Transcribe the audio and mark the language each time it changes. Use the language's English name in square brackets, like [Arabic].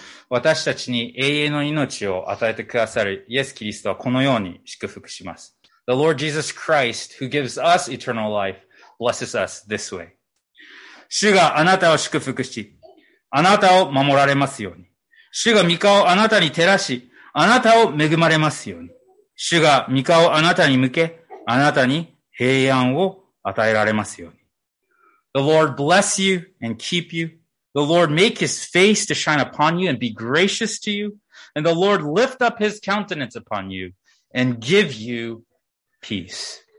[Japanese] 私たちに永遠の命を与えてくださるイエス・キリストはこのように祝福します。 [English] The Lord Jesus Christ, who gives us eternal life, blesses us this way. [Japanese] 主があなたを祝福し、あなたを守られますように。主が御顔をあなたに照らし、あなたを恵まれますように。主が御顔をあなたに向け、あなたに平安を与えられますように。 [English] The Lord bless you and keep you. The Lord make his face to shine upon you and be gracious to you. And the Lord lift up his countenance upon you and give you peace.